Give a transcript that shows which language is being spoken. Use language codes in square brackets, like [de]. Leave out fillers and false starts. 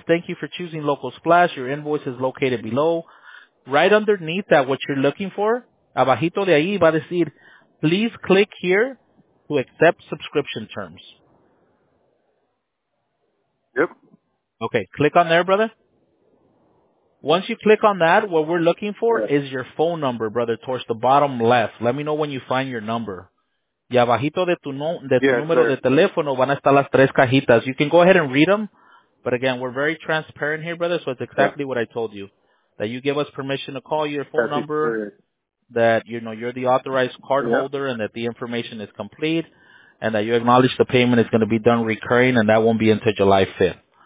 [en] Thank you for choosing Local Splash. Your invoice is located below. Right underneath that, what you're looking for, [es] abajito de ahí, va a decir, [en] please click here to accept subscription terms. Yep. Okay, click on there, brother. Once you click on that, what we're looking for is your phone number, brother, towards the bottom left. Let me know when you find your number. [es] Y abajito de tu número de teléfono van a estar las tres cajitas. [en] You can go ahead and read them. But again, we're very transparent here, brother, so it's exactly what I told you. That you give us permission to call your phone number, that you know you're the authorized cardholder, and that the information is complete, and that you acknowledge the payment is going to be done recurring, and that won't be until July 5th.